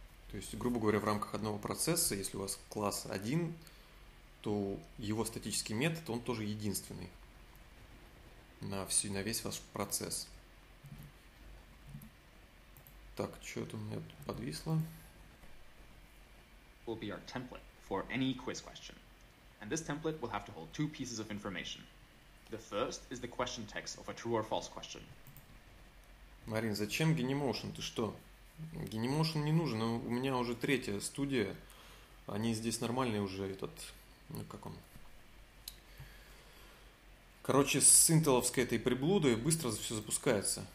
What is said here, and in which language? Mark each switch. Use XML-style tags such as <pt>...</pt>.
<ru>То есть, грубо говоря, в рамках одного процесса, если у вас класс один, то его статический метод, он тоже единственный на всю, на весь ваш процесс. Так, что это у меня тут подвисло?</ru> <en>Will be our template for any quiz question. And this template will have to hold two pieces of information. The first is the question text of a true or false question.</en> <ru>Марин, зачем Genymotion? Ты что? Genymotion не нужен. У меня уже третья студия. Они здесь нормальные уже, этот... Ну, как он? Короче, с интеловской этой приблудой быстро все запускается.</ru>